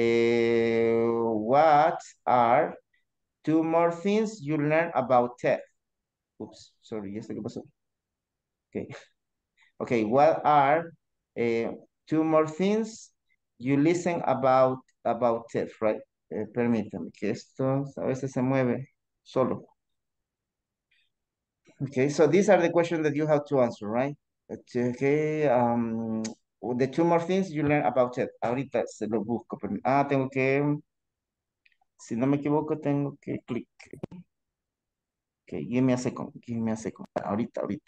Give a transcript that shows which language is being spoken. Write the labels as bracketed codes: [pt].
[en] What are two more things you learn about TED? Oops, sorry, yes, [es] ¿qué pasó? [en] Okay. Okay, what are two more things you listen about TED, right? [es] Permítame que esto a veces se mueve solo. [en] Okay, so these are the questions that you have to answer, right? Okay, the two more things you learn about it. [es] Ahorita se lo busco. Ah, tengo que, si no me equivoco, tengo que click. [en] Okay, give me a second. [es] Ahorita.